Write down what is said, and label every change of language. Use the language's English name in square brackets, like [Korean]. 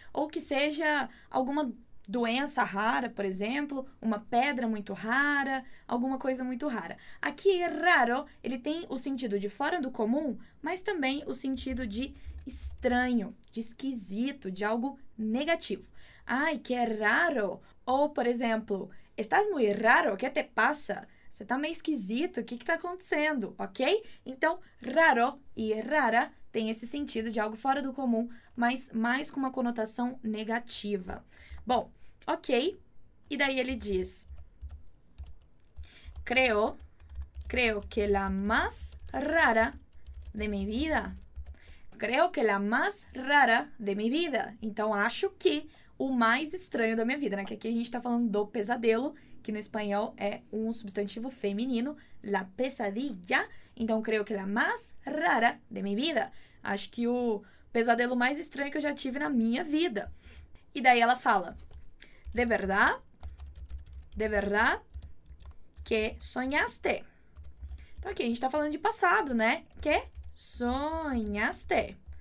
[Portuguese] Ou que seja alguma doença rara, por exemplo, uma pedra muito rara, alguma coisa muito rara. Aqui, raro, ele tem o sentido de fora do comum, mas também o sentido de estranho, de esquisito, de algo negativo. Ai, que é raro! Ou, por exemplo, [Spanish] estás muy raro, que te pasa? [Portuguese] Você tá meio esquisito, o que que tá acontecendo, ok? Então, raro e rara tem esse sentido de algo fora do comum, mas mais com uma conotação negativa. Bom, ok. E daí ele diz: [Spanish] Creo que la más rara de mi vida. Creo que la más rara de mi vida. [Portuguese] Então, acho que o mais estranho da minha vida, né? Que aqui a gente tá falando do pesadelo, que no espanhol é um substantivo feminino, la pesadilla. [Spanish] Então, creo que la más rara de mi vida. [Portuguese] Acho que o pesadelo mais estranho que eu já tive na minha vida. E daí ela fala: [Spanish] De verdad que soñaste. [Portuguese] Então, aqui a gente tá falando de passado, né? [Spanish] Que soñaste.